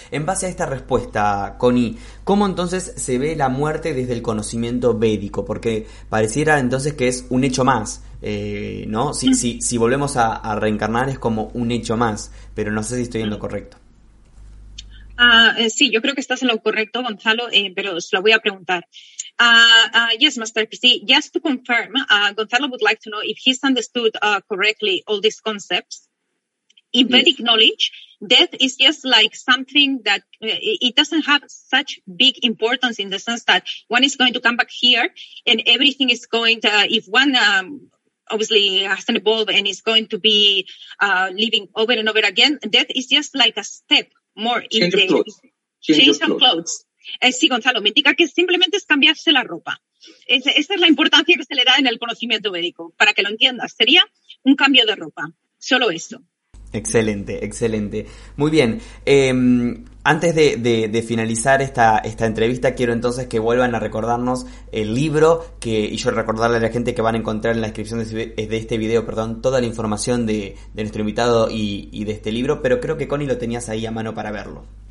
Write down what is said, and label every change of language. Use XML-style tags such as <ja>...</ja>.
<es>En base a esta respuesta, Connie, ¿cómo entonces se ve la muerte desde el conocimiento védico? Porque pareciera entonces que es un hecho más, ¿no? Si volvemos a reencarnar es como un hecho más, pero no sé si estoy en lo correcto. Sí, yo creo que estás en lo correcto, Gonzalo, pero se lo voy a preguntar.</es> <en>Yes, Master PC. Just to confirm, Gonzalo would like to know if he's understood correctly all these concepts. In Vedic knowledge, death is just like something that it doesn't have such big importance in the sense that one is going to come back here and everything is going to, if one obviously hasn't evolved and is going to be living over and over again, death is just like a step more change in the change of clothes.</en> <es>Sí, Gonzalo, me indica que simplemente es cambiarse la ropa. Esa es la importancia que se le da en el conocimiento védico. Para que lo entiendas, sería un cambio de ropa. Solo eso. Excelente, excelente. Muy bien. Antes de finalizar esta entrevista, quiero entonces que vuelvan a recordarnos el libro y yo recordarle a la gente que van a encontrar en la descripción de este video, perdón, toda la información de nuestro invitado y de este libro, pero creo que Connie lo tenías ahí a mano para verlo.</es>